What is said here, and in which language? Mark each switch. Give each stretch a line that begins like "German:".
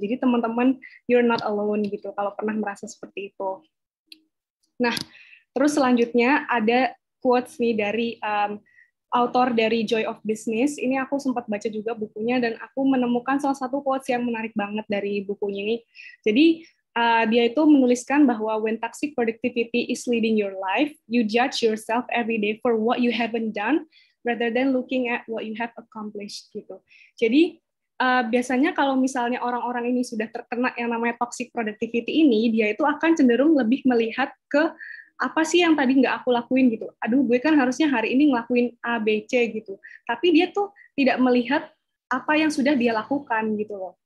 Indonesian: Jadi teman-teman,
English: you're not alone
Indonesian: gitu, kalau pernah merasa seperti itu. Nah, terus selanjutnya ada quotes nih dari author dari Joy of Business, ini aku sempat baca juga bukunya, dan aku menemukan salah satu quotes yang menarik banget dari bukunya ini. Jadi, dia itu menuliskan bahwa
English: when toxic productivity is leading your life, you judge yourself every day for what you haven't done rather than looking at what you have accomplished gitu. Jadi
Indonesian: biasanya kalau misalnya orang-orang ini sudah terkena yang namanya toxic productivity ini, dia itu akan cenderung lebih melihat ke apa sih yang tadi nggak aku lakuin gitu. Aduh, gue kan harusnya hari ini ngelakuin A, B, C gitu. Tapi dia tuh tidak melihat apa yang sudah dia lakukan gitu loh.